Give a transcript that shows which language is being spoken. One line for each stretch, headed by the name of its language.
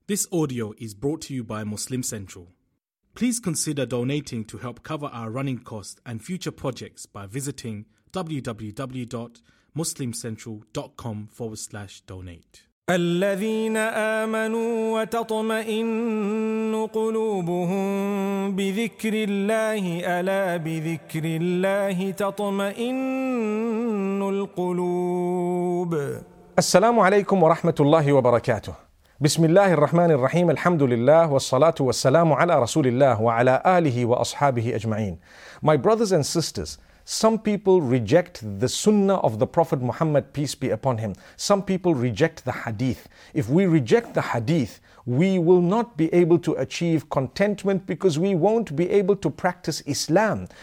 English: This audio is brought to you by Muslim Central. Please consider donating to help cover our running costs and future projects by visiting www.muslimcentral.com/donate.
Arabic: الذين آمنوا وتطمئن قلوبهم بذكر الله ألا بذكر الله تطمئن القلوب. السلام عليكم ورحمة الله وبركاته. بسم الله الرحمن الرحيم الحمد لله والصلاة والسلام على رسول الله وعلى آله وأصحابه أجمعين.
English: My brothers and sisters, some people reject the Sunnah of the Prophet Muhammad, peace be upon him. Some people reject the Hadith. If we reject the Hadith, we will not be able to achieve contentment because we won't be able to practice Islam.